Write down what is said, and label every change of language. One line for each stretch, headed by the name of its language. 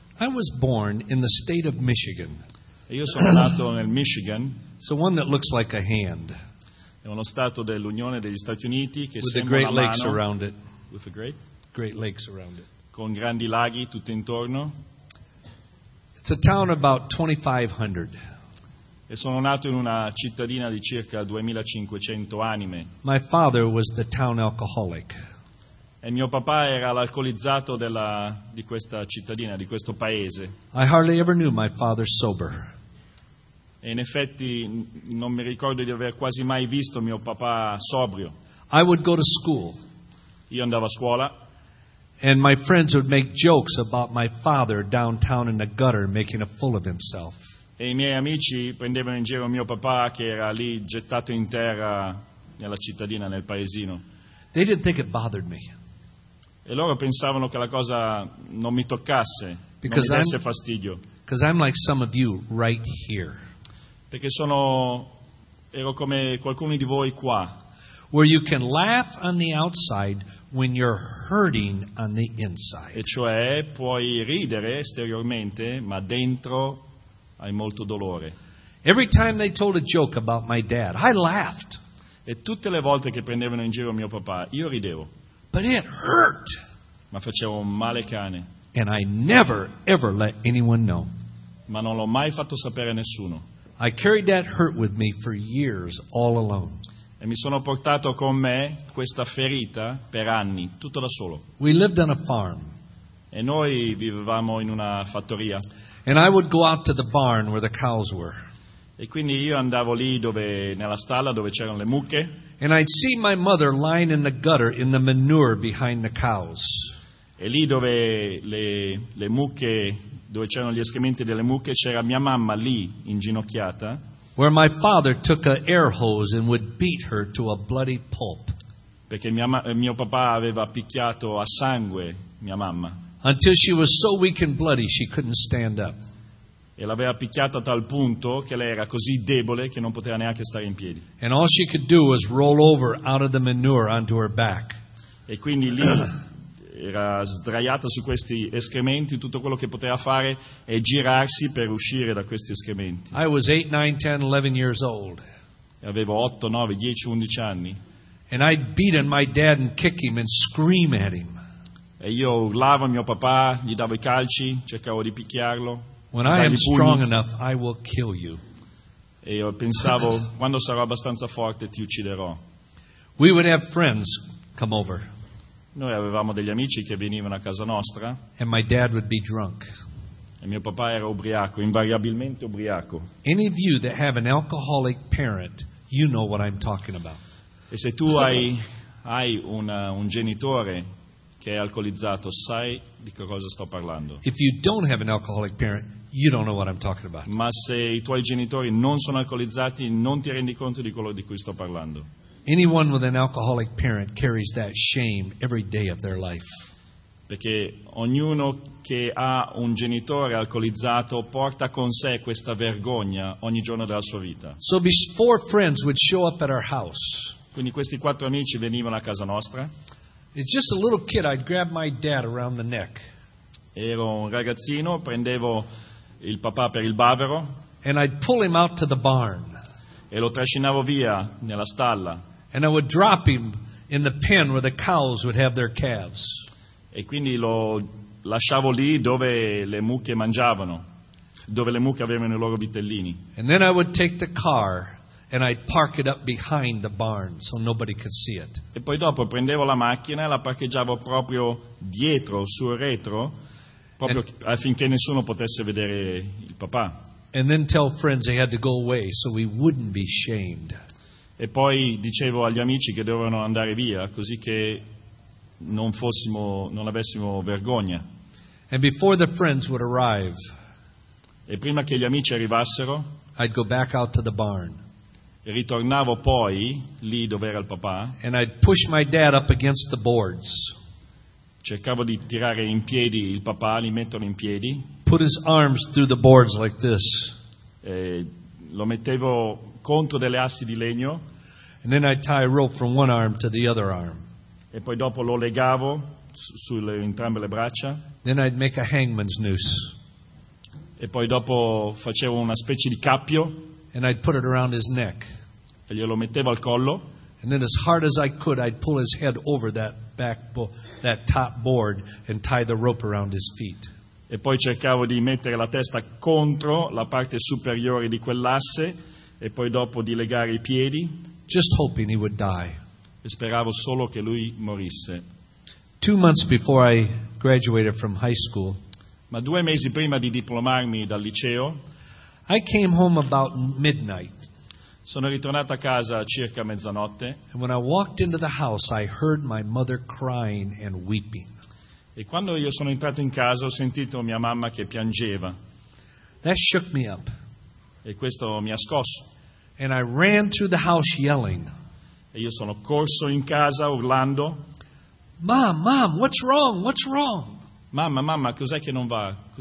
English: I was born in the state of Michigan.
Italian: E io sono nato nel Michigan.
English: So one that looks like a hand.
Italian: È uno stato dell'Unione degli Stati Uniti che
English: with the great lakes
Italian: mano,
English: around it. With the great? Great lakes around it.
Italian: Con grandi laghi tutto intorno.
English: It's a town about 2,500.
Italian: E sono nato in una cittadina di circa 2500 anime.
English: My father was the town alcoholic.
Italian: E mio papà era l'alcolizzato della, di questa cittadina, di questo paese.
English: I hardly ever knew my father sober.
Italian: E in effetti non mi ricordo di aver quasi mai visto mio papà sobrio.
English: I would go to school.
Italian: Io andavo a scuola.
English: And my friends would make jokes about my father downtown in the gutter making a fool of himself.
Italian: E i miei amici prendevano in giro mio papà che era lì gettato in terra nella cittadina, nel paesino.
English: They didn't think it bothered me.
Italian: E loro pensavano che la cosa non mi toccasse,
English: because
Italian: non mi desse fastidio.
English: Because I'm like some of you right here.
Italian: Perché sono ero come qualcuno di voi qua.
English: Where you can laugh on the outside when you're hurting on the inside.
Italian: E cioè puoi ridere esteriormente, ma dentro hai molto dolore.
English: Every time they told a joke about my dad, I laughed.
Italian: E tutte le volte che prendevano in giro mio papà, io ridevo.
English: But it hurt.
Italian: Ma facevo un male cane.
English: And I never ever let anyone know.
Italian: Ma non l'ho mai fatto sapere a nessuno.
English: I carried that hurt with me for years all alone.
Italian: E mi sono portato con me questa ferita per anni, tutto da solo.
English: We lived on a farm.
Italian: E noi vivevamo in una fattoria.
English: And I would go out to the barn where the cows were.
Italian: E quindi io andavo lì dove nella stalla dove c'erano le mucche.
English: And I'd see my mother lying in the gutter in the manure behind the cows.
Italian: E lì dove le mucche dove c'erano gli escrementi delle mucche c'era mia mamma lì inginocchiata.
English: Where my father took an air hose and would beat her to a bloody pulp.
Italian: Perché mio papà aveva picchiato a sangue mia mamma.
English: Until she was so weak and bloody she couldn't stand up.
Italian: E l'aveva picchiata a tal punto che lei era così debole che non poteva neanche stare in piedi.
English: And all she could do was roll over out of the manure onto her back.
Italian: E quindi lì era sdraiata su questi escrementi, tutto quello che poteva fare è girarsi per uscire da questi escrementi.
English: I was 8, 9, 10, 11 years old.
Italian: E avevo 8, 9, 10, 11 anni.
English: And I'd beat on my dad and kick him and scream at him.
Italian: E io urlavo a mio papà, gli davo i calci, cercavo di picchiarlo.
English: When I am strong enough, I will kill you.
Italian: E io pensavo, quando sarò abbastanza forte, ti ucciderò.
English: We would have friends come over.
Italian: Noi avevamo degli amici che venivano a casa nostra.
English: And my dad would be drunk.
Italian: E mio papà era ubriaco, invariabilmente ubriaco.
English: Any of you that have an alcoholic parent, you know what I'm talking about.
Italian: E se tu hai un genitore che è alcolizzato, sai di che cosa sto parlando.
English: If you don't have an alcoholic parent, you don't know what I'm talking about.
Italian: Ma se i tuoi genitori non sono alcolizzati, non ti rendi conto di quello di cui sto parlando.
English: Anyone with an alcoholic parent carries that shame every day of their life.
Italian: Perché ognuno che ha un genitore alcolizzato porta con sé questa vergogna ogni giorno della sua vita.
English: So these four friends would show up at our house.
Italian: Quindi questi quattro amici venivano a casa nostra.
English: It's just a little kid, I'd grab my dad around the neck.
Italian: Ero un ragazzino, prendevo il papà per il bavero.
English: And I'd pull him out to the barn.
Italian: E lo trascinavo via nella stalla.
English: And I would drop him in the pen where the cows would have their calves.
Italian: E quindi lo lasciavo lì dove le mucche mangiavano, dove le mucche avevano i loro vitellini.
English: And then I would take the car and I'd park it up behind the barn so nobody could see it.
Italian: E poi dopo prendevo la macchina e la parcheggiavo proprio dietro sul retro, proprio affinché nessuno potesse vedere il papà.
English: And then tell friends they had to go away so we wouldn't be shamed.
Italian: E poi dicevo agli amici che dovevano andare via così che non avessimo vergogna.
English: And before the friends would arrive,
Italian: e prima che gli amici arrivassero,
English: I'd go back out to the barn.
Italian: Ritornavo poi lì dove era il papà.
English: And I'd push my dad up against the boards.
Italian: Cercavo di tirare in piedi il papà, li metterlo in piedi.
English: Put his arms through the boards like this.
Italian: E lo mettevo contro delle assi di legno.
English: And then I'd tie a rope from one arm to the other arm.
Italian: E poi dopo lo legavo sulle entrambe le braccia.
English: Then I'd make a hangman's noose.
Italian: E poi dopo facevo una specie di cappio.
English: And I'd put it around his neck.
Italian: E glielo mettevo al collo.
English: And then as hard as I could I'd pull his head over that top board and tie the rope around his feet.
Italian: e poi cercavo di mettere la testa contro la parte superiore di quell'asse e poi dopo di legare i piedi.
English: Just hoping he would die.
Italian: E speravo solo che lui morisse.
English: 2 months before I graduated from high school,
Italian: ma 2 mesi prima di diplomarmi dal liceo,
English: I came home about midnight.
Italian: Sono ritornato a casa circa mezzanotte.
English: And when I walked into the house, I heard my mother crying and weeping.
Italian: E quando io sono entrato in casa, ho sentito mia mamma che piangeva.
English: That shook me up.
Italian: E questo mi ha scosso.
English: And I ran through the house yelling.
Italian: E io sono corso in casa urlando.
English: Mom, mom, what's wrong? What's wrong?
Italian: Mamma, mamma, cos'è che non va?